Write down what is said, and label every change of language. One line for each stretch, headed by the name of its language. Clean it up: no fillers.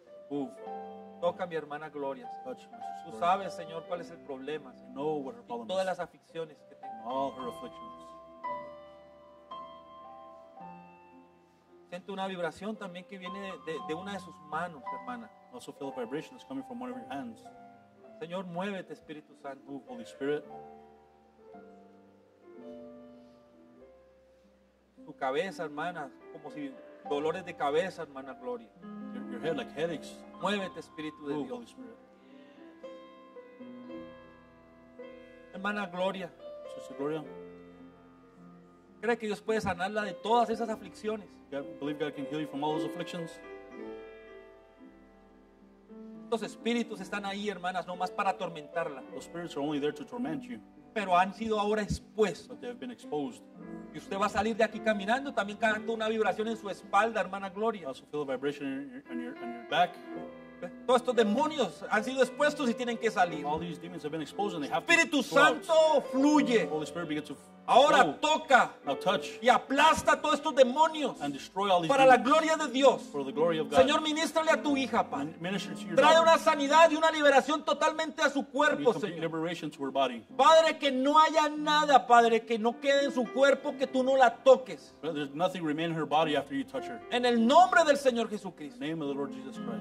English: Move.
Spanish: Toca a mi hermana Gloria. Tú sabes, Señor, cuál es el problema.
English: Know what her problem
Spanish: y todas las aficiones que tengo.
English: All her afflictions.
Spanish: Siento una vibración también que viene de una de sus manos, hermana.
English: I also feel a vibration that's coming from one of your hands.
Spanish: Señor, muévete, Espíritu Santo.
English: Move, Holy Spirit.
Spanish: Tu cabeza, hermana, como si dolores de cabeza, hermana Gloria.
English: Your head like headaches.
Spanish: Muévete, Espíritu de
English: Move,
Spanish: Dios.
English: Holy Spirit.
Spanish: Hermana Gloria.
English: Sister Gloria.
Spanish: ¿Cree que Dios puede sanarla de todas esas aflicciones?
English: Believe God can heal you from all those afflictions.
Spanish: Los espíritus están ahí, hermanas, no más para atormentarla.
English: Those spirits are only there to torment you.
Spanish: Pero han sido ahora expuestos.
English: But they have been exposed.
Spanish: Y usted va a salir de aquí caminando, también canta una vibración en su espalda, hermana Gloria.
English: I also feel a vibration in your back.
Spanish: Todos estos demonios han sido expuestos y tienen que salir.
English: All these demons have been exposed and they have
Spanish: Espíritu Santo
English: out.
Spanish: Fluye.
English: Holy Spirit begins to
Spanish: ahora
English: flow.
Spanish: Toca.
English: Now touch.
Spanish: Y aplasta todos estos demonios.
English: And destroy all these
Spanish: para
English: demons.
Spanish: La gloria de Dios.
English: For the glory of God.
Spanish: Señor, ministrale a tu hija, Padre.
English: Minister to your
Spanish: trae
English: daughter.
Spanish: Una sanidad y una liberación totalmente a su cuerpo, Señor.
English: Liberation to her body.
Spanish: Padre, que no haya nada, Padre, que no quede en su cuerpo, que tú no la toques.
English: There's nothing remain in her body after you touch her.
Spanish: En el nombre del Señor Jesucristo.
English: In the name of the Lord Jesus Christ.